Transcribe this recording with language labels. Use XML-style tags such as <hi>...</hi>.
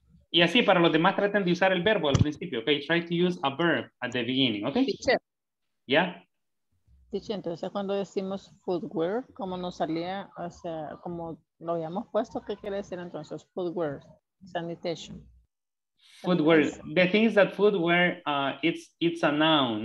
<es>Y así, para los demás, traten de usar el verbo al principio, okay?</es> <en>Try to use a verb at the beginning, okay? Teacher. Yeah?</en> <es>Teacher, entonces cuando decimos footwear, ¿cómo nos salía? O sea, como lo habíamos puesto, ¿qué quiere decir entonces?</es> <en>Footwear, sanitation. Footwear. The thing is that footwear, it's a noun.</en>